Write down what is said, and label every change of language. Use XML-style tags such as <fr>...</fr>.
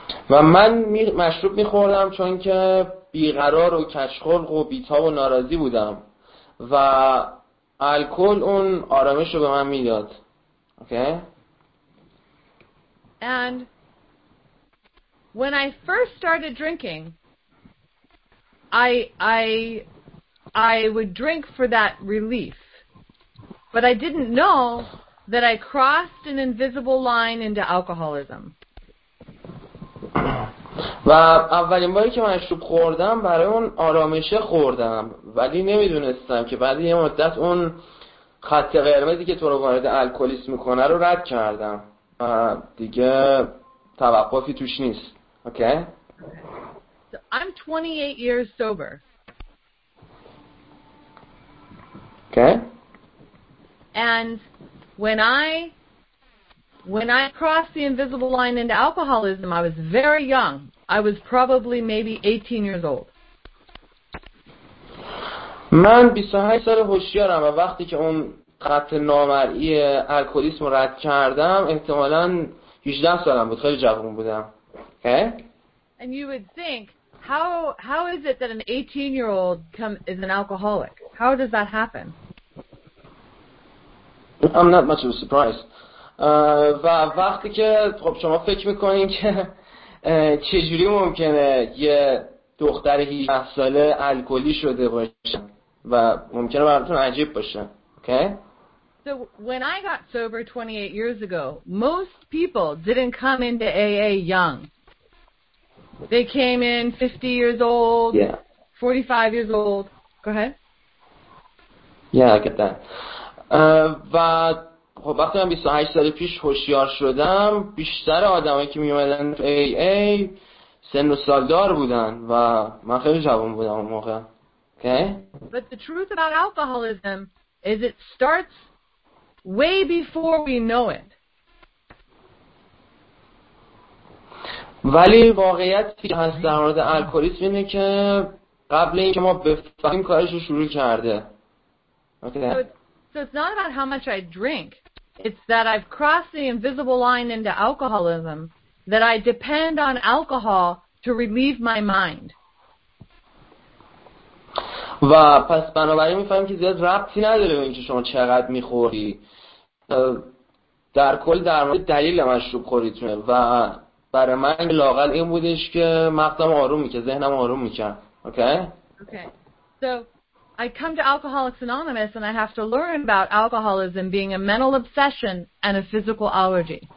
<fa>و من مشروب میخوردم چون که بیقرار و کشخلق و بیتاب و ناراضی بودم و الکل اون آرامش رو به من میداد.</fa> <en>Okay? And when I first started drinking, I would drink for that relief. But I didn't know that I crossed an invisible line into alcoholism.</en> <fa>و اولین باری که من مشروب خوردم برای اون آرامشه خوردم، ولی نمیدونستم که بعد یه مدت اون خط قرمزی که تو رو وارد الکلیسم میکنه رو رد کردم. دیگه توقفی توش نیست.</fa> <en>Okay. So I'm 28 years sober. Okay. And when I crossed the invisible line into alcoholism, I was very young. I was probably maybe 18 years old.</en> <fa>من 28 سال هوشیارم و وقتی که اون خط نامرئی الکلیسم رد کردم احتمالاً 18 سالم بود، خیلی جوان بودم.</fa> <en>Okay? And you would think how is it that an 18 year old is an alcoholic? How does that happen? I'm not much of a surprise.</en> <fa>و وقتی که خب شما فکر میکنین که چجوری ممکنه یه دختر 18 ساله الکلی شده باشه و ممکنه براتون عجیب باشه.</fa> <en>Okay? So when I got sober 28 years ago, most people didn't come into AA young. They came in 50 years old, yeah. 45 years old. Go ahead. Yeah, I get that.</en> <fa>و خب وقتی من 28 سال پیش هوشیار شدم، بیشتر آدمایی که می اومدن تو AA سن و سالدار بودن و من خیلی جوان بودم اون موقع.</fa> <en>Okay? But the truth about alcoholism is it starts way before we know it.</en> <fa>ولی واقعیتی که هست در مورد الکلیسم اینه که قبل اینکه ما بفهمیم کارش رو شروع کرده.</fa> <en>So it's not about how much I drink. It's that I've crossed the invisible line into alcoholism, that I depend on alcohol to relieve my mind.</en> <fa>و پس بنابراین میفهمیم که زیاد ربطی نداره به اینکه شما چقدر میخوری، در کل در مورد دلیل مشروب خوریتونه و برای من لاقل این بودش که مغزم آروم میکرد، ذهنم آروم میکرد.</fa> <en>Okay? Okay. So I come to Alcoholics Anonymous and I have to learn about alcoholism being a mental obsession and a physical allergy.</en>